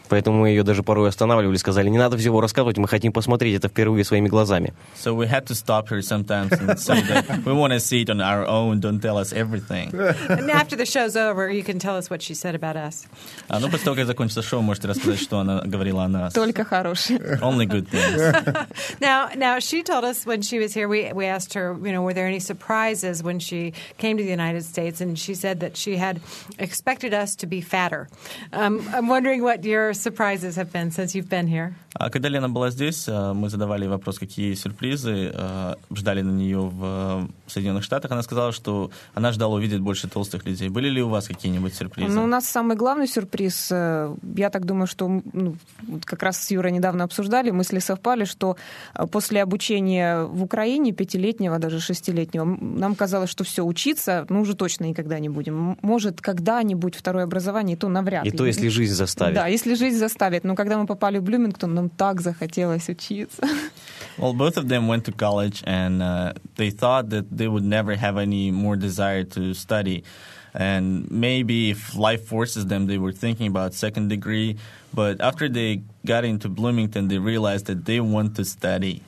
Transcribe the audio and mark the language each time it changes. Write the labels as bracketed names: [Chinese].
[Russian] Поэтому мы ее даже порой останавливали, сказали, не надо всего рассказывать, мы хотим посмотреть это впервые своими глазами. [English] So we had to stop her sometimes and say that we want to see it on our own, don't tell us everything. And after the show's over, you can tell us what she said about us. [Russian] Ну, после того, как закончится шоу, можете рассказать, что она говорила о нас. Только хорошие. [English] Only good things. Now, she told us when she was here, we asked her, were there any surprises when she came to the United States, and she said, said that she had expected us to be fatter. I'm wondering what your surprises have been since you've been here. [Russian] Когда Лена была здесь, мы задавали вопрос, какие сюрпризы ждали на нее в Соединенных Штатах. Она сказала, что она ждала увидеть больше толстых людей. Были ли у вас какие-нибудь сюрпризы? Ну, у нас самый главный сюрприз, я так думаю, что как раз с Юрой недавно обсуждали, мысли совпали, что после обучения в Украине, пятилетнего, даже шестилетнего, нам казалось, что все, учиться мы уже точно никогда не будем. Может, когда-нибудь второе образование, и то навряд ли. И то, если жизнь заставит. Да, если жизнь заставит. Но когда мы попали в Блюмингтон, нам так захотелось учиться. [English] Well, both of them went to college, and they thought that they would never have any more desire to study. And maybe if life forces them, they were thinking about second degree. But after they got into Bloomington, they realized that they want to study.